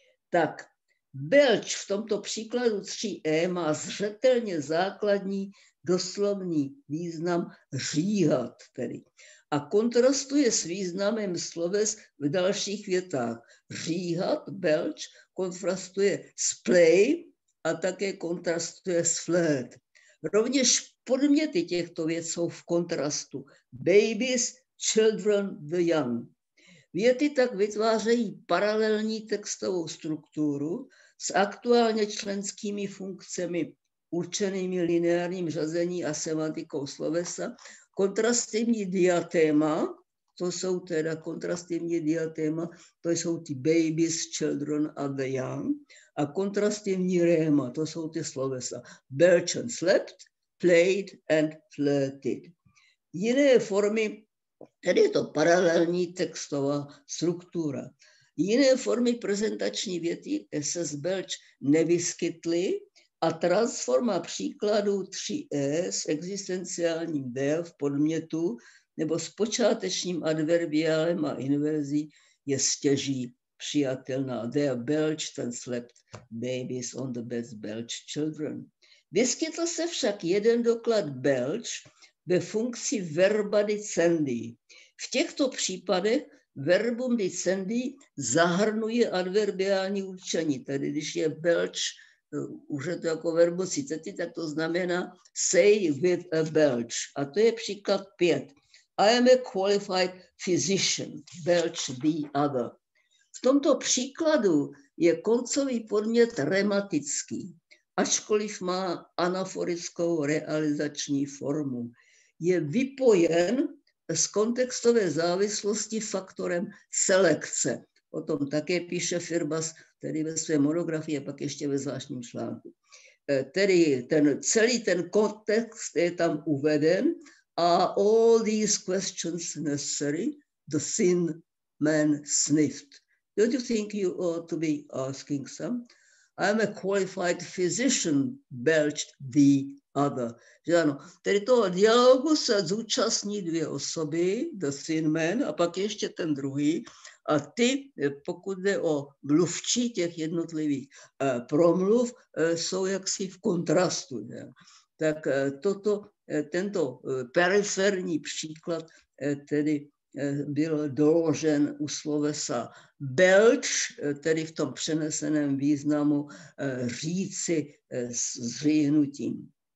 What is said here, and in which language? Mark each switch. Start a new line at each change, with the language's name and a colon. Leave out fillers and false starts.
Czech: Tak, belč v tomto příkladu 3e má zřetelně základní doslovný význam říhat. Tedy. A kontrastuje s významem sloves v dalších větách. Říhat, belč, kontrastuje s play a také kontrastuje s flirt. Rovněž podměty těchto věc jsou v kontrastu.
English: Babies, children, the young.
Czech: Věty tak vytvářejí paralelní textovou strukturu s aktuálně členskými funkcemi určenými lineárním řazení a semantikou slovesa. Kontrastivní diatéma, to jsou teda kontrastivní diatéma, to jsou ty
English: babies, children and the young.
Czech: A kontrastivní réma, to jsou ty slovesa.
English: Belch and slept, played and flirted.
Czech: Jiné formy, tedy je to paralelní textová struktura. Jiné formy prezentační věty SS Belch nevyskytly a transforma příkladů 3e s existenciálním B v podmětu nebo s počátečním adverbiálem a inverzí je stěží přijatelná.
English: They belched and slept babies on the beds belched children.
Czech: Vyskytl se však jeden doklad belch ve funkci verba dicendi. V těchto případech verbum dicendi zahrnuje adverbiální určení, tedy když je belch už je to jako verbo citety, tak to znamená
English: say with a belch.
Czech: A to je příklad 5.
English: I am a qualified physician, belch the other.
Czech: V tomto příkladu je koncový podmět rematický, ačkoliv má anaforickou realizační formu. Je vypojen z kontextové závislosti faktorem selekce. O tom také píše Firbas, tedy ve své monografii a pak ještě ve zvláštním článku. Tedy ten, celý ten kontext je tam uveden a
English: all these questions necessary, the thin man sniffed. Don't you think you ought to be asking some? I'm a qualified physician, belched the other.
Czech: Že ano, tedy toho dialogu se zúčastní dvě osoby, the thin man a pak ještě ten druhý, a ty, pokud jde o mluvčí těch jednotlivých promluv, jsou jaksi v kontrastu. Ne? Tak toto, tento periferní příklad tedy byl doložen u slovesa belč, tedy v tom přeneseném významu říci s zříhnutím.